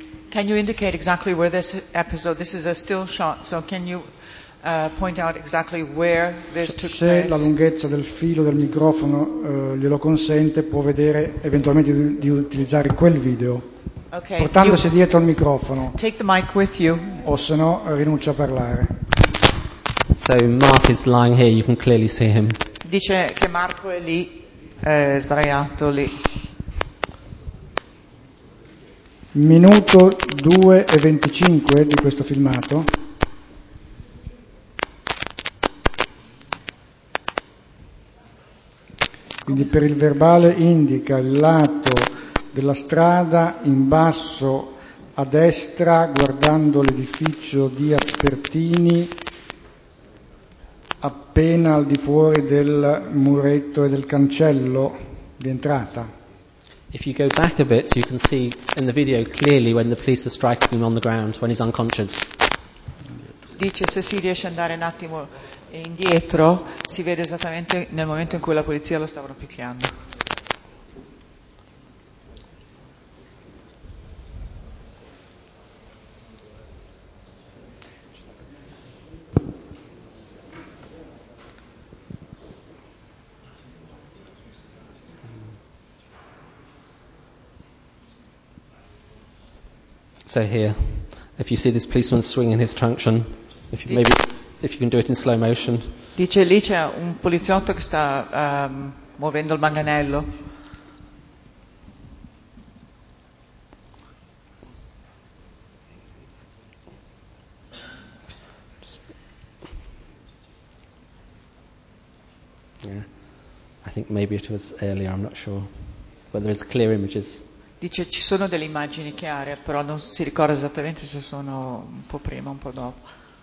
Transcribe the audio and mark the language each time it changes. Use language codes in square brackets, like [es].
[en] Can you indicate exactly where this episode, this is a still shot, so can you point out exactly where this took place? [it] Se la lunghezza del filo del microfono glielo consente, può vedere eventualmente di utilizzare quel video. [en] Okay, [it] portandosi dietro al microfono. [en] Take the mic with you. [it] O se no rinuncia a parlare. [en] So Mark is lying here, you can clearly see him. [it] Dice che Marco è lì, sdraiato lì. Minuto 2 e 25 di questo filmato. Quindi per il verbale indica il lato della strada in basso a destra guardando l'edificio di Aspertini appena al di fuori del muretto e del cancello di entrata. [en] If you go back a bit, you can see in the video clearly when the police are striking him on the ground when he's unconscious. [it] Dice se si riesce ad andare un attimo indietro, si vede esattamente nel momento in cui la polizia lo stavano picchiando. [en] So here, if you see this policeman swinging his truncheon, if you can do it in slow motion. [it] Dice lì c'è un poliziotto che sta muovendo il manganello. [en] Yeah, I think maybe it was earlier. I'm not sure, but there is clear images. [it] Dice ci sono delle immagini chiare, però non si ricorda esattamente se sono un po' prima o un po' dopo.